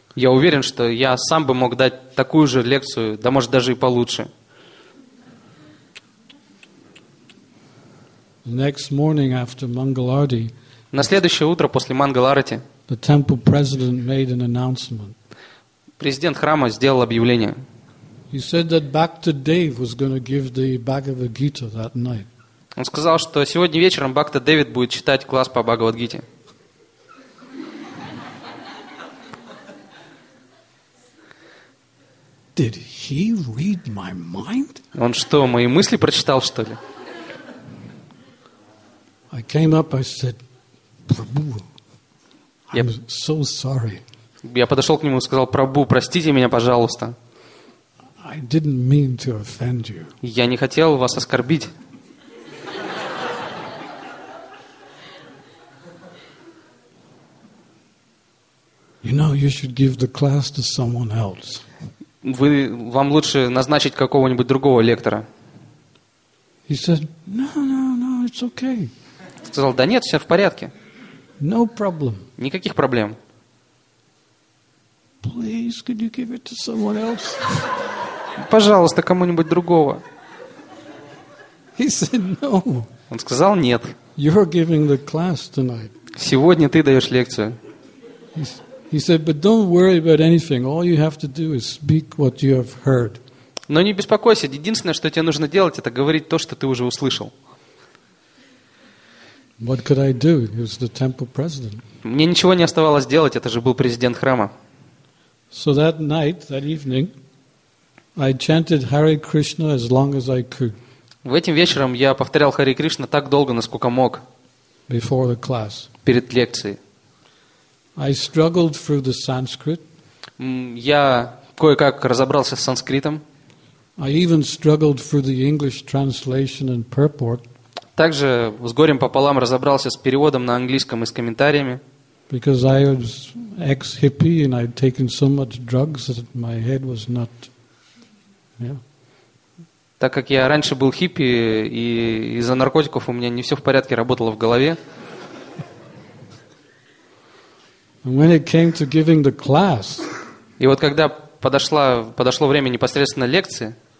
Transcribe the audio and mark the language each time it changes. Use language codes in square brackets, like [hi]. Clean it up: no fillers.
[ru] Я уверен, что я сам бы мог дать такую же лекцию, да может даже и получше. [en] The next morning after Mangalarti. [ru] На следующее утро после Мангаларти. [en] The temple president made an announcement. [ru] Президент храма сделал объявление. [en] He said that Bhakta Dev was going to give the Bhagavad Gita that night. [ru] Он сказал, что сегодня вечером Бхакта Дэвид будет читать класс по Бхагавад-гите. [en] Did he read my mind? [ru] Он что, мои мысли прочитал, что ли? [en] I came up, I said, Prabhu, I'm so sorry. [ru] Я подошел к нему и сказал, Прабу, простите меня, пожалуйста. [en] I didn't mean to offend you. [ru] Я не хотел вас оскорбить. [en] You know, you should give the class to someone else. [ru] Вам лучше назначить какого-нибудь другого лектора. [en] He said, No, it's okay. [ru] Сказал, да нет, все в порядке. [en] No problem. [ru] Никаких проблем. [en] Please, could you give it to someone else? [ru] Пожалуйста, кому-нибудь другого. [en] He said, No. [ru] Он сказал, нет. [en] You're giving the class tonight. [ru] Сегодня ты даешь лекцию. [en] He said, "But don't worry about anything. All you have to do is speak what you have heard." [ru] Но не беспокойся. Единственное, что тебе нужно делать, это говорить то, что ты уже услышал. [en] What could I do? He was the temple president. [ru] Мне ничего не оставалось делать. Это же был президент храма. [en] So that night, that evening, I chanted Hare Krishna as long as I could. [ru] В этим вечером я повторял Харе Кришна так долго, насколько мог. [en] Before the class. [ru] Перед лекцией. [en] I struggled through the Sanskrit. [ru] Я кое-как разобрался с санскритом. [en] I even struggled through the English translation and purport. [ru] Также с горем пополам разобрался с переводом на английском и с комментариями. [en] Because I was ex-hippie and I'd taken so much drugs that my head was not. Yeah. [ru] Так как я раньше был хиппи и из-за наркотиков у меня не все в порядке работало в голове. [en] When it came to giving the class, [ru] и вот когда подошло время непосредственно лекции,